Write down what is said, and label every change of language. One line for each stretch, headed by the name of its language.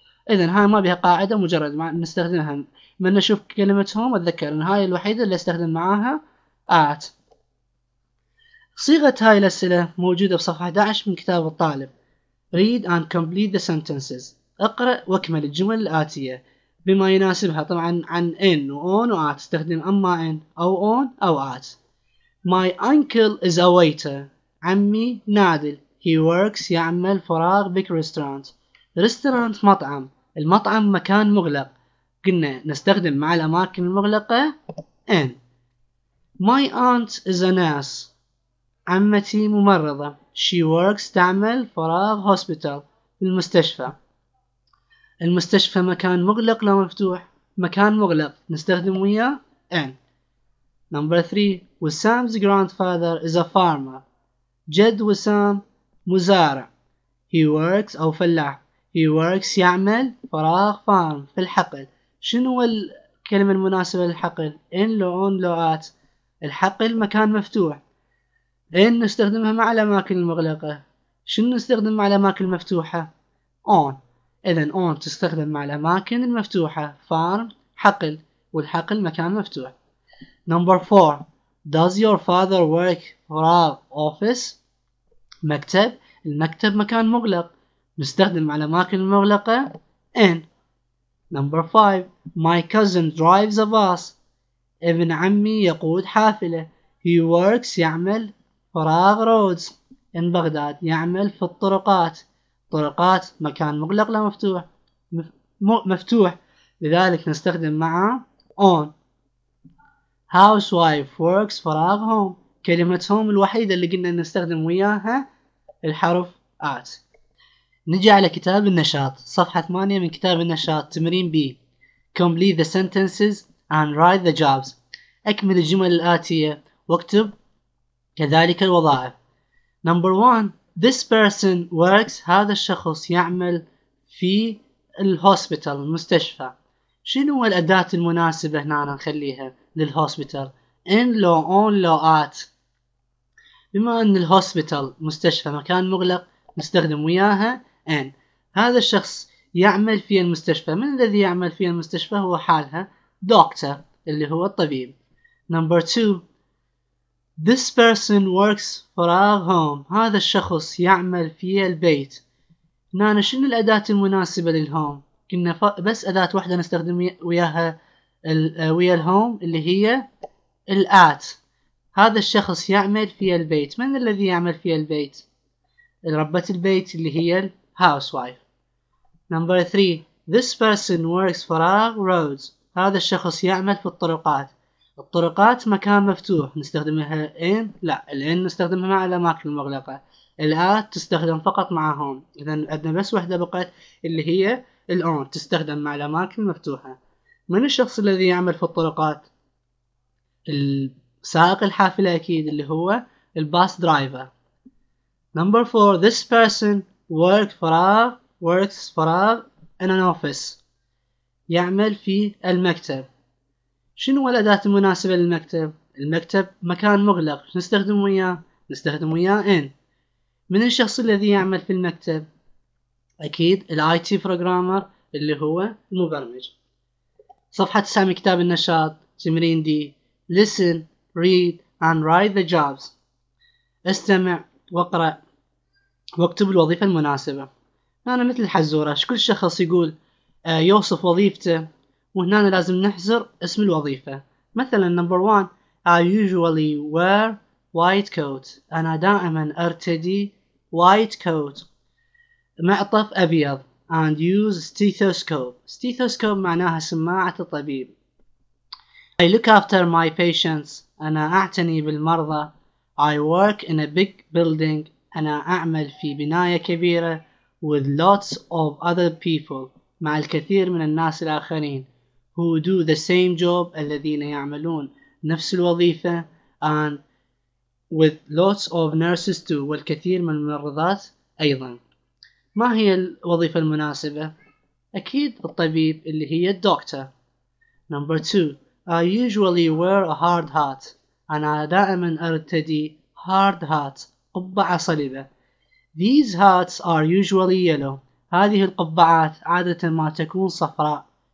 Arabic: إذن هاي ما بها قاعدة مجرد ما نستخدمها من نشوف كلمة هوم أتذكر إن هاي الوحيدة اللي استخدم معاها at. صيغة هاي الأسئلة موجودة بصفحة 11 من كتاب الطالب.
English: read and complete the sentences
Arabic: اقرأ واكمل الجمل الآتية بما يناسبها. طبعا عن in و on و at استخدم أما in أو on أو at.
English: my uncle is a waiter
Arabic: عمي نادل.
English: he works
Arabic: يعمل فراغ
English: big restaurant.
Arabic: restaurant مطعم. المطعم مكان مغلق. قلنا نستخدم مع الأماكن المغلقة in.
English: my aunt is a nurse
Arabic: عمتي ممرضة.
English: she works
Arabic: تعمل فراغ
English: hospital
Arabic: المستشفى. المستشفى مكان مغلق لو مفتوح؟ مكان مغلق نستخدم وياه in.
English: number three وسام's grandfather is a farmer
Arabic: جد وسام مزارع.
English: he works
Arabic: أو فلاح.
English: he works
Arabic: يعمل فراغ farm في الحقل. شنو الكلمة المناسبة للحقل؟ in لو on لو at. الحقل مكان مفتوح. in نستخدمها مع الأماكن المغلقة. شنو نستخدم مع الأماكن المفتوحة؟ on. إذن on تستخدم مع الأماكن المفتوحة farm حقل والحقل مكان مفتوح.
English: number four does your father work for our office مكتب.
Arabic: المكتب مكان مغلق نستخدم مع الأماكن المغلقة in.
English: number 5 my cousin drives a bus
Arabic: ابن عمي يقود حافلة.
English: he works
Arabic: يعمل فراغ
English: roads in
Arabic: بغداد يعمل في الطرقات. طرقات مكان مغلق لا مفتوح مفتوح لذلك نستخدم مع on. housewife works فراغ home كلمة home الوحيدة اللي قلنا نستخدم وياها الحرف at. نجي على كتاب النشاط صفحة 8 من كتاب النشاط تمرين B.
English: complete the sentences and write the jobs
Arabic: اكمل الجمل الآتية واكتب كذلك الوظائف.
English: number one this person works
Arabic: هذا الشخص يعمل في الهوسبيتال المستشفى. شنو هو الأداة المناسبة هنا نخليها للهوسبيتال in law on law at. بما أن الهوسبيتال مستشفى مكان مغلق نستخدم وياها in. هذا الشخص يعمل في المستشفى من الذي يعمل في المستشفى هو حالها doctor اللي هو الطبيب.
English: number two this person works for our home
Arabic: هذا الشخص يعمل في البيت. نانا شنو الأداة المناسبة للهوم؟ كنا بس أداة واحدة نستخدم وياها ويا الهوم اللي هي الآت. هذا الشخص يعمل في البيت من الذي يعمل في البيت؟ ربة البيت اللي هي housewife.
English: number three this person works for our roads
Arabic: هذا الشخص يعمل في الطرقات. الطرقات مكان مفتوح نستخدمها إن لا الإن نستخدمها مع الأماكن المغلقة. الآت تستخدم فقط مع هوم إذن عندنا بس واحدة بقت اللي هي الأون تستخدم مع الأماكن المفتوحة. من الشخص الذي يعمل في الطرقات؟ السائق الحافلة أكيد اللي هو الباص درايفر.
English: number four this person works for in an office
Arabic: يعمل في المكتب. شنو الأداة المناسبة للمكتب؟ المكتب مكان مغلق نستخدم وياه in. من الشخص الذي يعمل في المكتب؟ أكيد الاي تي بروجرامر اللي هو المبرمج. صفحة 9 من كتاب النشاط تمرين دي
English: listen read and write the jobs
Arabic: استمع واقرأ واكتب الوظيفة المناسبة. أنا مثل الحزورة كل شخص يقول يوصف وظيفته وهنا لازم نحزر اسم الوظيفة.
English: مثلا number one I usually wear white coat
Arabic: أنا دائما أرتدي
English: white coat
Arabic: معطف أبيض
English: and use stethoscope stethoscope
Arabic: معناها سماعة الطبيب.
English: I look after my patients
Arabic: أنا أعتني بالمرضى.
English: I work in a big building
Arabic: أنا أعمل في بناية كبيرة
English: with lots of other people
Arabic: مع الكثير من الناس الآخرين
English: who do the same job
Arabic: الذين يعملون نفس الوظيفة
English: and with lots of nurses too
Arabic: والكثير من الممرضات أيضا. ما هي الوظيفة المناسبة؟ أكيد الطبيب اللي هي الدكتور.
English: number two I usually wear a hard hat
Arabic: أنا دائما أرتدي
English: hard hat
Arabic: قبعة صلبة.
English: these hats are usually yellow
Arabic: هذه القبعات عادة ما تكون صفراء.